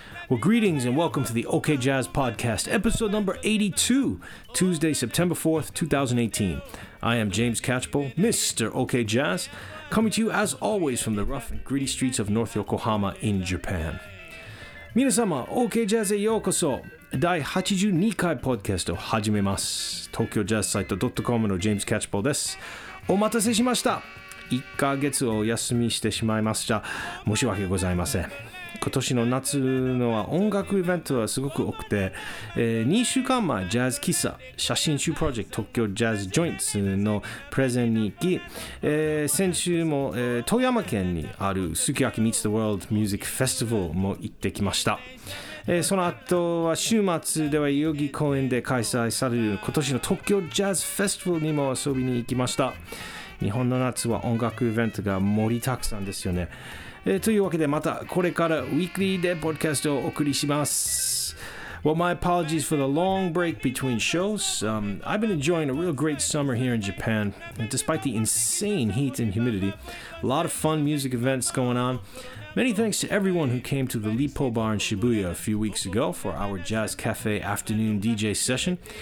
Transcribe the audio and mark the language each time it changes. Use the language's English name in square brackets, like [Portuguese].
[English] Well, greetings and welcome to the OK Jazz Podcast, episode number 82, Tuesday, September 4th, 2018. I am James Catchpole, Mr. OK Jazz, coming to you as always from the rough and gritty streets of North Yokohama in Japan. [Japanese] 皆様, OK Jazz へようこそ。第82回ポッドキャストを始めます。東京ジャズサイト .com のジェームズ・キャッチポーです。お待たせしました。 1ヶ月お休みしてしまいました。申し訳ございません。今年の夏のは音楽イベントはすごく多くて、2週間前、ジャズ喫茶、写真集プロジェクト東京ジャズジョイントのプレゼンに行き、先週も、富山県にあるすき焼き meets the world music festival も行ってきました。その後は週末では代々木公園で開催される今年の東京ジャズフェスティバルにも遊びに行きました。日本の夏は音楽イベントが盛りたくさんですよね。というわけでまたこれからウィークリーでポッドキャストをお送りします。 [English] Well, my apologies for the long break between shows. I've been enjoying a real great summer here in Japan, despite the insane heat and humidity. A lot of fun music events going on. Many thanks to everyone who came to the Lippo Bar in Shibuya a few weeks ago for our Jazz Cafe afternoon DJ session.